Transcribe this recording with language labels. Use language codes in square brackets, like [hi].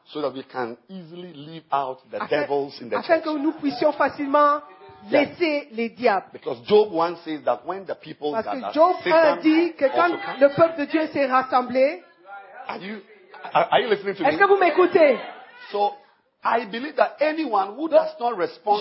[en] So that we can easily leave out the afin, devils in the [fr] afin [en] church. [fr] Afin que nous puissions facilement laisser les diables. [en] Because Job 1 says that when the people [fr] parce [en] gather, [fr] que Job 1 dit que quand le peuple de Dieu s'est rassemblé. [en] Are you listening to [fr] est-ce [en] me? [fr] Que vous m'écoutez? [en] So I believe that anyone who does not respond